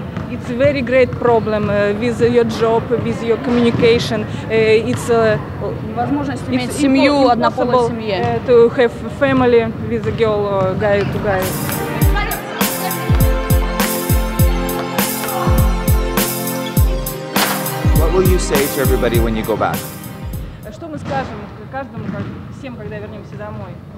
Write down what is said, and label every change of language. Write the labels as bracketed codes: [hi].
[en] It's a very great problem with your job, with your communication. It's [ru] невозможность иметь семью, однополой семье. [en] To have family with a girl or guy to guy. What will you say to everybody when you go back? [ru] Что мы скажем каждому, всем, когда вернемся домой?